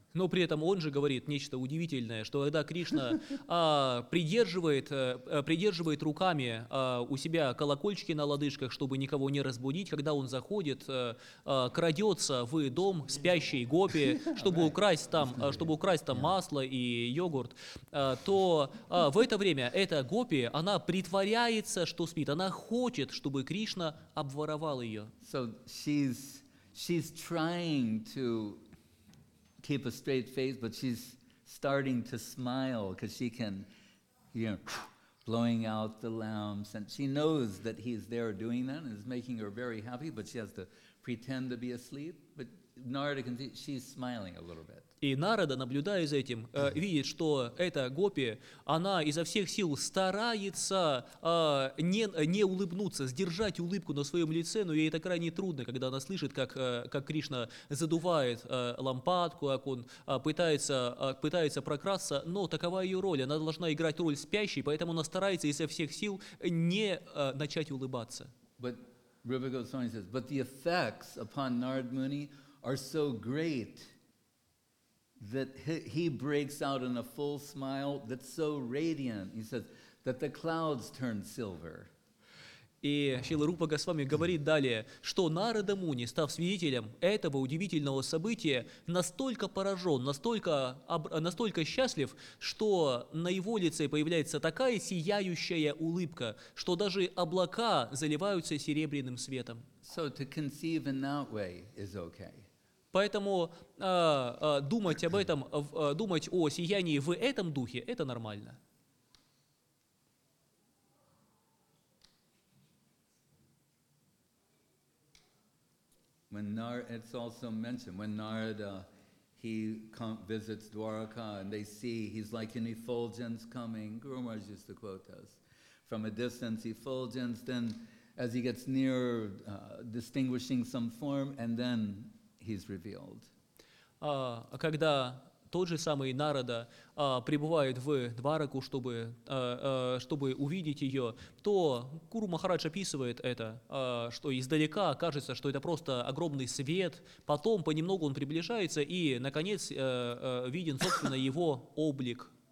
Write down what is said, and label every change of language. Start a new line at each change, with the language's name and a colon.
Russian: Но при этом он же говорит нечто удивительное, что когда Кришна придерживает руками у себя колокольчики на лодыжках, чтобы никого не разбудить, когда он заходит, крадется в дом спящей гопи, чтобы украсть там, масло и йогурт, то в это время эта гопи, она притворяется, что спит, она хочет, чтобы Кришна обворовал ее.
English: So she's trying to keep a straight face, but she's starting to smile because she can, you know, blowing out the lamps, and she knows that he's there doing that, and it's making her very happy, but she has to pretend to be asleep, but Narada can see she's smiling a little bit.
Russian: И Нарада, наблюдая за этим, видит, что эта гопи, она изо всех сил старается не улыбнуться, сдержать улыбку на своем лице, но ей это крайне трудно, когда она слышит, как Кришна задувает лампадку, как он пытается прокрасться, но такова ее роль, она должна играть роль спящей, поэтому она старается изо всех сил не начать улыбаться.
English: But Rupa Goswami says, but the effects upon Narada Muni are so great that he breaks out in a full smile that's so radiant, he says, that the clouds turn silver.
Russian: И Шрила Рупа Госвами говорит далее, что Нарада Муни, став свидетелем этого удивительного события, настолько поражен, настолько счастлив, что на его лице появляется такая сияющая улыбка, что даже облака заливаются серебряным светом.
English: So to conceive in that way is okay.
Russian: Поэтому думать об этом, думать о сиянии в этом духе, это нормально.
English: When it's also mentioned when Narada he visits Dwarka and they see he's like an effulgence coming. Guru Maharaj used to quote this: from a distance, effulgence. Then, as he gets nearer, distinguishing some form, and then he's revealed.
Russian: Когда тот же самый Нарада прибывает в Двараку, чтобы увидеть ее, то Гуру Махарадж описывает это, что издалека кажется, что это просто огромный свет, потом понемногу он приближается, и, наконец, виден, собственно, его облик.